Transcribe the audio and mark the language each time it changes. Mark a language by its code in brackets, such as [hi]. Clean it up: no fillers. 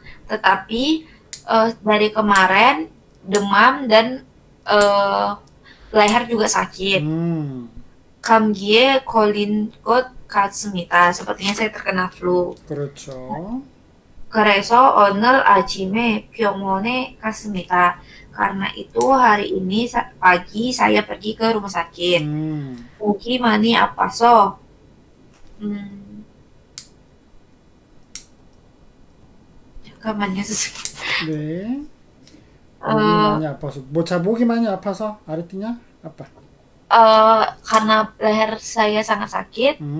[id] tetapi dari kemarin demam dan leher juga sakit. [ko] 감기에 걸린 것 같습니다. [id] Sepertinya saya terkena flu. [ko] 그렇죠. 그래서 오늘 아침에 병원에 갔습니다. [id] Karena itu hari ini pagi saya pergi ke rumah sakit. [ko] 목이 많이 아파서 잠깐만요. 네. 목이 많이 아파서. 뭐, 자, 목이 많이 아파서. [id] 아르띠냐? 아빠. Karena leher saya sangat sakit.